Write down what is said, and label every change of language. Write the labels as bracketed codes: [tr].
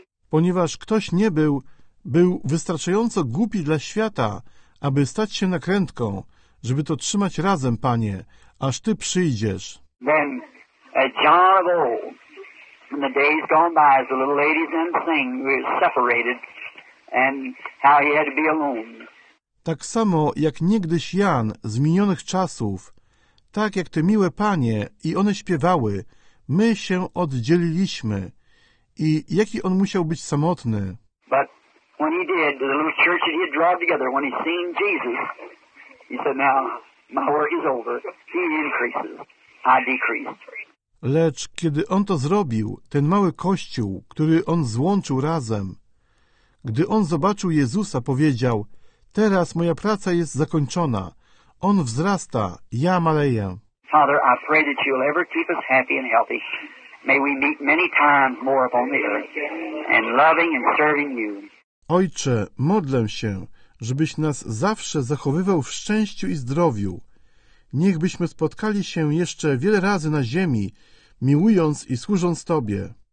[pl] Ponieważ ktoś nie był wystarczająco głupi dla świata, aby stać się nakrętką, żeby to trzymać razem, Panie, aż Ty przyjdziesz. [en] Then, John of old. In the days gone by, as the little ladies then sing, we were separated, and how he had to be alone. [pl] Tak samo jak niegdyś Jan z minionych czasów, tak jak te miłe panie i one śpiewały, my się oddzieliliśmy. I jaki on musiał być samotny. [en] But when he did, the little church that he had drawn together, when he seen Jesus, he said, now my work is over, he increases, I decrease. [pl] Lecz kiedy on to zrobił, ten mały kościół, który on złączył razem, gdy on zobaczył Jezusa, powiedział, teraz moja praca jest zakończona. On wzrasta, ja maleję. [en] Father, I pray that you'll ever keep us happy and healthy. May we meet many times more upon the earth and loving and serving you. [pl] Ojcze, modlę się, żebyś nas zawsze zachowywał w szczęściu i zdrowiu. Niechbyśmy spotkali się jeszcze wiele razy na ziemi, miłując i służąc Tobie.